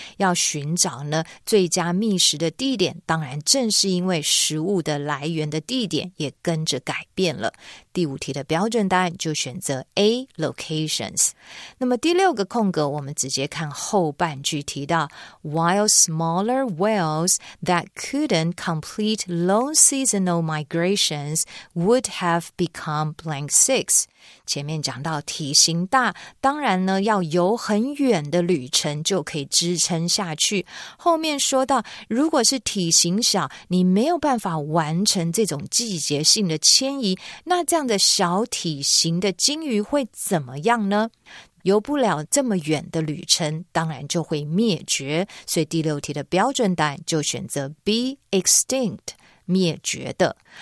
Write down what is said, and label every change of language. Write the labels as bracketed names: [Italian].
[Chinese] 要寻找呢最佳觅食的地点当然正是因为食物的来源的地点也跟着改变了。第五题的标准答案就选择 A, locations。那么第六个空格我们直接看后半句提到 [English] While smaller whales that couldn't complete long seasonal migrations would have become blank six。 [Chinese] 前面讲到体型大当然呢要游很远的旅程就可以支撑下去后面说到如果是体型小你没有办法完成这种季节性的迁移那这样的小体型的鲸鱼会怎么样呢游不了这么远的旅程当然就会灭绝所以第六题的标准答案就选择 B extinct灭绝的。